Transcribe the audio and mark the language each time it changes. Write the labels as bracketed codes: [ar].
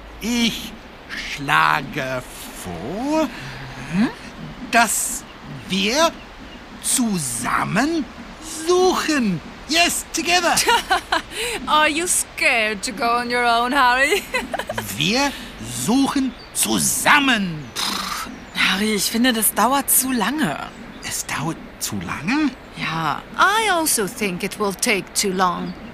[de] Ich schlage vor, dass wir... zusammen suchen. [en] Yes, together. Are you scared to go on your own, Harry? [de] Wir suchen zusammen. Puh, Harry, ich finde, das dauert zu lange. Es dauert zu lange? Ja. [en] I also think it will take too long.